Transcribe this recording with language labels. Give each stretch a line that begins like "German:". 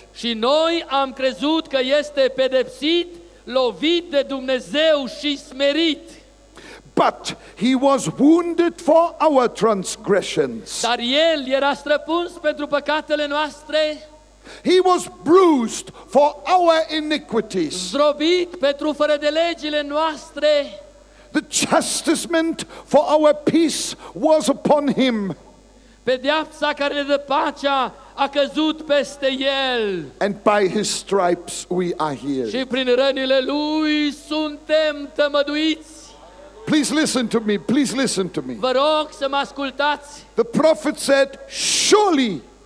Romanian: Și noi am crezut că este pedepsit, lovit de Dumnezeu și smerit.
English: But he was wounded for our transgressions.
Romanian: Dar el era străpuns pentru păcatele noastre.
English: He was bruised for our iniquities.
Romanian: Zdrobit pentru fărădelegile noastre.
English: The chastisement for our peace was upon him.
Romanian: Pedeapsa care dă pacea a căzut peste el.
English: And by his stripes we are healed.
Romanian: Și prin rănile lui suntem tămăduiți.
English: Please listen to me. Please listen to me.
Romanian: Vă rog să mă ascultați.
English: The prophet said, surely.